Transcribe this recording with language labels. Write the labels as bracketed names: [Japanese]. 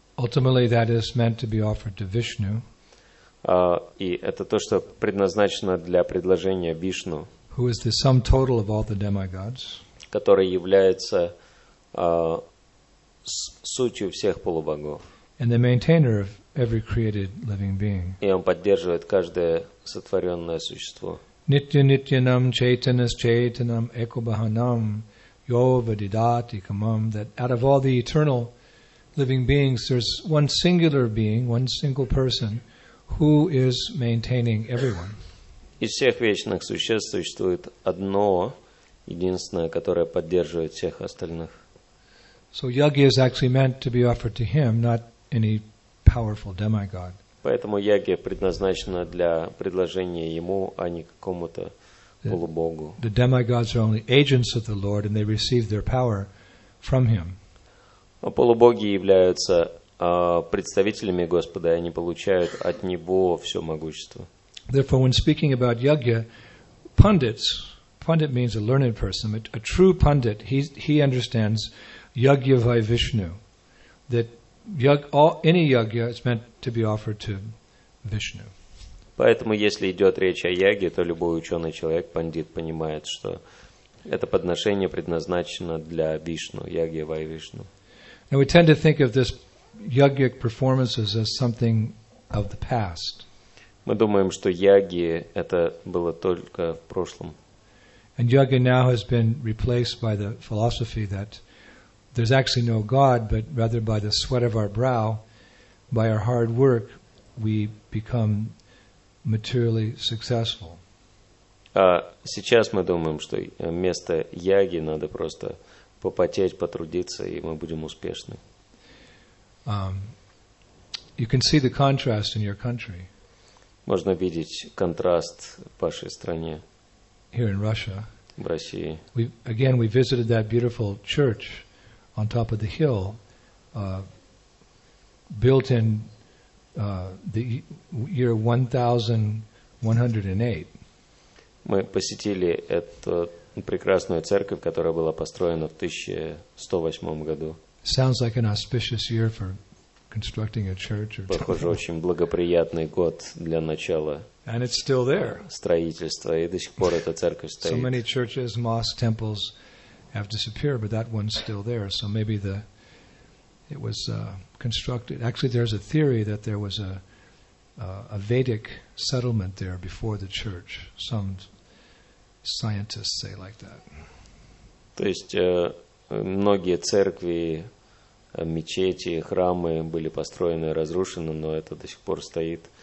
[English] Ultimately, that is meant to be offered to Vishnu. [Russian] И это то, что предназначено для предложения Вишну, [English] who is the sum total of all the demigods, [Russian] который является сутью всех полубогов. [English] And the maintainer of every created living being. [Russian] И он поддерживает каждое сотворенное существо. [Sanskrit] Nitya Nityanam Chaitanas Chaitanam Ekobahanam Yova Didati Kamam, [English] that out of all the eternal living beings, there's one singular being, one single person, who is maintaining everyone. [Russian] Из всех вечных существ существует одно, единственное, которое поддерживает всех остальных. [English] So yagya is actually meant to be offered to him, not any powerful demigod. [Russian] Поэтому яги предназначена для предложения ему, а не какому-то полубогу. [English] The demigods are only agents of the Lord, and they receive their power from him. [Russian] Полубоги являются представителями Господа, и они получают от него все могущество. [English] Therefore, when speaking about yagya, pundit means a learned person, a true pundit, he understands [Sanskrit] yagya vai Vishnu, [English] that any yagya is meant to be offered to Vishnu. [Russian] Поэтому, если идет речь о яге, то любой ученый человек, пандит, понимает, что это подношение предназначено для Вишну, [Sanskrit] ягья вай Вишну. [English] Now we tend to think of this yagyic performances as something of the past. [Russian] Мы думаем, что яги это было только в прошлом. [English] And yagya now has been replaced by the philosophy that there's actually no God, but rather by the sweat of our brow, by our hard work, we become materially successful. [Russian] Сейчас мы думаем, что вместо яги надо просто попотеть, потрудиться, и мы будем успешны. [English] You can see the contrast in your country. [Russian] Можно видеть контраст в вашей стране. [English] Here in Russia. [Russian] В России. [English] We visited that beautiful church on top of the hill, built in the year 1108. [Russian] Мы посетили эту прекрасную церковь, которая была построена в 1108 году. [English] Sounds like an auspicious year for constructing a church. [Russian] Похоже, очень благоприятный год для начала. [English] And it's still there. [Russian] Строительство, и до сих пор эта церковь стоит. [English] So many churches, mosques, temples have disappeared, but that one's still there. So maybe it was constructed. Actually, there's a theory that there was a Vedic settlement there before the church, some scientists say like that. [Russian] То есть многие церкви, мечети, храмы были построены и разрушены, но это до сих пор стоит.